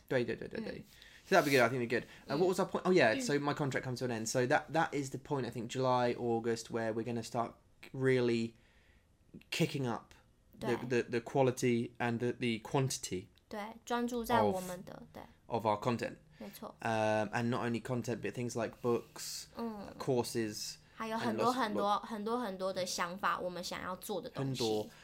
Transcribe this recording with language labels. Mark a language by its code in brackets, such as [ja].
[en] 对，so that'd be good. I think it'd be good. What was our point? Oh yeah, so my contract comes to an end. So that is the point. I think July, August, where we're gonna start really kicking up the quality and the quantity. [zh] 对，专注在我们的对 of [en] our content. [zh] 没错. [en] And not only content, but things like books, courses. [zh] 还有很多很多的想法，我们想要做的东西。